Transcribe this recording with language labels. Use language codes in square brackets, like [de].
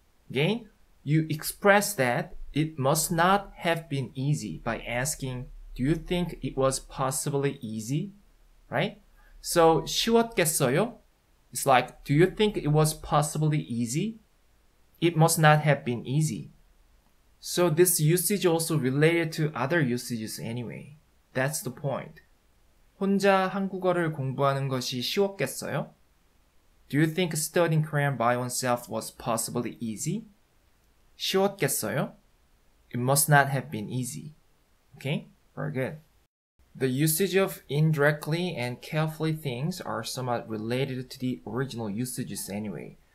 [en] Again, you express that it must not have been easy by asking, do you think it was possibly easy? Right? So, 쉬웠겠어요? It's like, do you think it was possibly easy? It must not have been easy. So this usage also related to other usages anyway. That's the point. [ko] 혼자 한국어를 공부하는 것이 쉬웠겠어요? [en] Do you think studying Korean by oneself was possibly easy? 쉬웠겠어요? It must not have been easy. Okay? Very good. The usage of indirectly and carefully things are somewhat related to the original usages anyway.